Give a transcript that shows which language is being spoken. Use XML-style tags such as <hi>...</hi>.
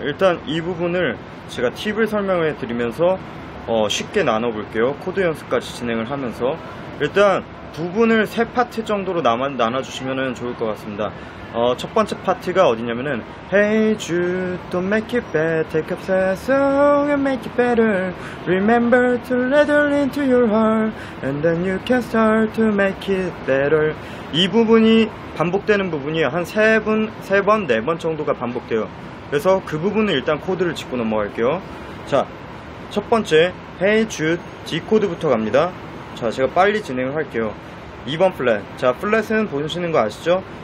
<ko>일단 이 부분을 제가 팁을 설명해 드리면서 쉽게 나눠 볼게요. 코드 연습까지 진행을 하면서 일단 부분을 세 파트 정도로 나눠 주시면 좋을 것 같습니다. 첫 번째 파트가 어디냐면은</ko> <en>Hey Jude, don't make it bad. Take up that song and make it better. Remember to let it into your heart, and then you can start to make it better.</en> <ko>이 부분이 반복되는 부분이 한 세 번 정도가 반복돼요. 그래서 그 부분은 일단 코드를 짚고 넘어갈게요. 자, 첫 번째 Hey Jude G 코드부터 갑니다. 자, 제가 빨리 진행을 할게요. 2번 플랫. 자, 플랫은 보시는 거 아시죠?</ko>